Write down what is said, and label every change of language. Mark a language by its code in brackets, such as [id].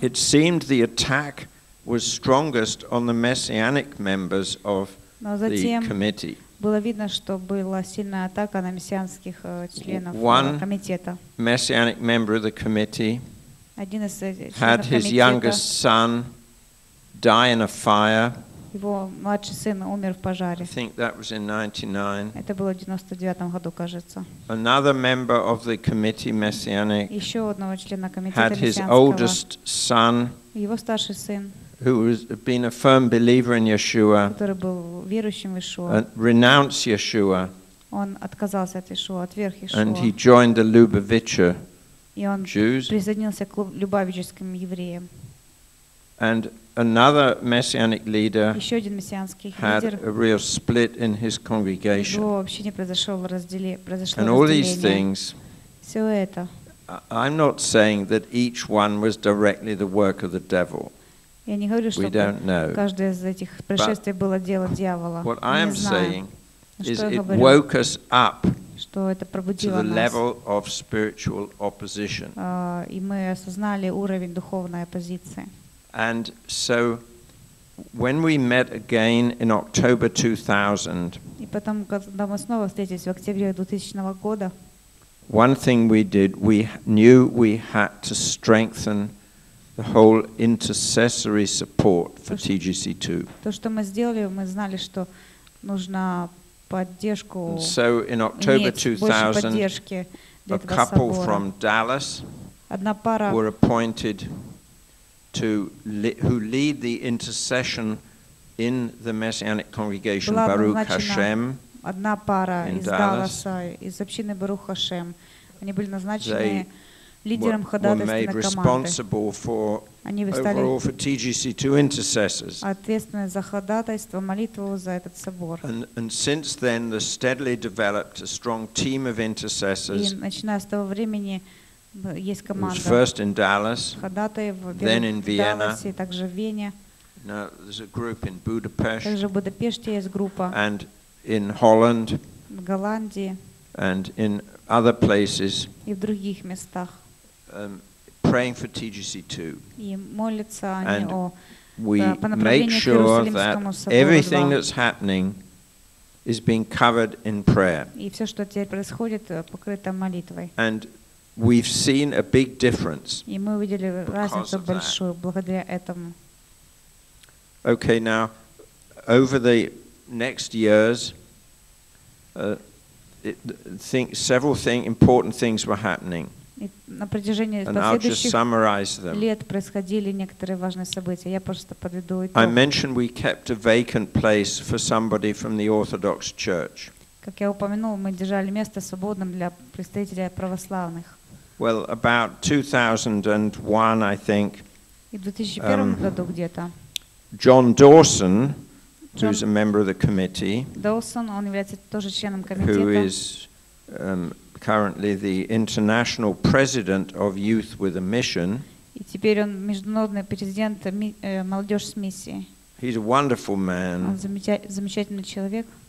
[en] It seemed the attack was strongest on the messianic members of the committee. [ru] Было видно, что была сильная атака на мессианских членов [en] One [ru] комитета. [en] One messianic member of the committee had his [ru] комитета. [en] Youngest son die in a fire. [ru] Его младший сын умер в пожаре. [en] I think that was in 99. [ru] Это было в 99 году, кажется. [en] Another member of the committee, messianic, [ru] еще одного члена комитета [en] had [ru] мессианского. [en] His oldest son, [ru] его старший сын, [en] who has been a firm believer in Yeshua, [ru] который был верующим в Иешуа, [en] and renounced Yeshua, [ru] он отказался от Иешуа, отверг Иешуа, [en] and he joined the Lubavitcher [ru] и он [en] Jews, [ru] присоединился к любавическим евреям. [en] And another messianic leader [ru] еще один мессианский лидер [en] had a real split in his congregation. [ru] Его общине произошло разделение. [en] And [ru] разделение. [en] All these things, [ru] все это, [en] I'm not saying that each one was directly the work of the devil. [ru] Я не говорю, что каждое из этих происшествий было дело дьявола. [en] What I am saying is it woke us up to the level of spiritual opposition. [ru] И мы осознали уровень духовной оппозиции. [en] And so when we met again in October 2000, [ru] и потом, когда мы снова встретились в октябре 2000 года, [en] one thing we did, we knew we had to strengthen the whole intercessory support for TGC2. [ru] То, что мы сделали, мы знали, что нужна поддержку. [en] And so in October 2000, a couple from Dallas were appointed to who lead the intercession in the Messianic congregation Baruch Hashem. [ru] Одна пара из Далласа, из общины Барух Хашем. Они были назначены лидером ходатайственной команды. Они стали ответственны за ходатайство, молитву за этот собор. [en] And since then, the steadily developed a strong team of intercessors. [ru] И начиная с того времени есть команда. [en] Was first in Dallas, [ru] ходатай в Вене, и также в Вене. [en] Now there's a group in Budapest. [ru] Также в Будапеште есть группа. [en] And in Holland. [ru] В Голландии. [en] And in other places. [ru] И в других местах. [en] Praying for TGC2. [ru] И молятся они [en] and [ru] о [en] we [ru] по [en] make sure that everything that's happening is being covered in prayer. [ru] И все, что теперь происходит, покрыто молитвой. [en] And we've seen a big difference. [ru] И мы увидели разницу большую благодаря этому. [en] Okay, now over the next years, several things, important things were happening. [ru] На протяжении последующих лет происходили некоторые важные события. Я просто подведу итог. [en] I mentioned we kept a vacant place for somebody from the Orthodox Church. [ru] Как я упомянул, мы держали место свободным для представителя православных. [en] Well, about 2001, I think. [ru] И в 2001 году где-то. [en] John Dawson, who's a member of the committee. [ru] Dawson, он является тоже членом комитета. [en] Who is currently the international president of Youth with a Mission. [ru] И теперь он международный президент молодежь с миссией. [en] He's a wonderful man. [ru] Он замечательный человек.